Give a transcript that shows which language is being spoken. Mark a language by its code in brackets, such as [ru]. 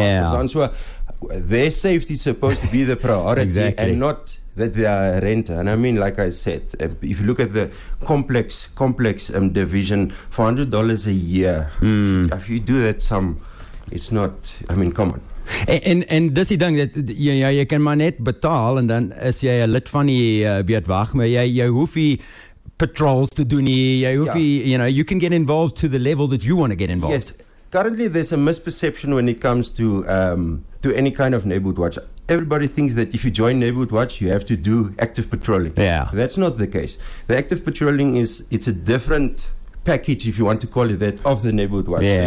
[af] Verstaan, [en] so their safety is supposed to be the priority. Exactly. And not that they are a renter. And I mean, like I said, if you look at the complex division, $400 a year, if you do that sum, it's not, I mean, come on. [af] En dis die ding dat jy kan maar net betaal en dan is jy 'n lid van die beurtwag, maar jy hoef nie patrols te doen nie, jy hoef nie, [en] you know, you can get involved to the level that you want to get involved. Yes, currently there's a misperception when it comes to any kind of neighborhood watch. Everybody thinks that if you join Neighborhood Watch, you have to do active patrolling. Yeah. That's not the case. The active patrolling it's a different package, if you want to call it that, of the Neighborhood Watch. Yeah.